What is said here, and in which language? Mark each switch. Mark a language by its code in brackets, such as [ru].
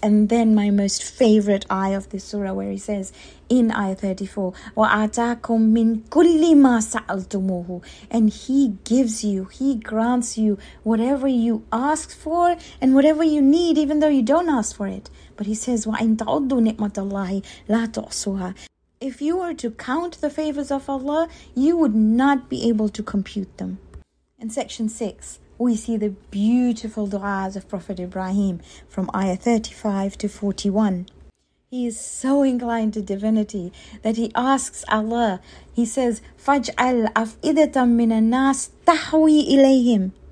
[en] And then my most favorite ayah of this surah, where he says in ayah 34, [ar] وَآتَاكُم مِّن كُلِّ مَا سَأَلْتُمُوهُ, [en] and he gives you, he grants you whatever you ask for and whatever you need, even though you don't ask for it. But he says, [ar] وَإِن تَعُدُّ نِعْمَةَ اللَّهِ لَا تُحْصُوهَا. [en] If you were to count the favors of Allah, you would not be able to compute them. In section 6, we see the beautiful du'as of Prophet Ibrahim from ayah 35 to 41. He is so inclined to divinity that he asks Allah, he says, [ar] فَاجْعَلْ أَفْئِدَةً مِّنَ النَّاسِ تَحْوِي إِلَيْهِمْ.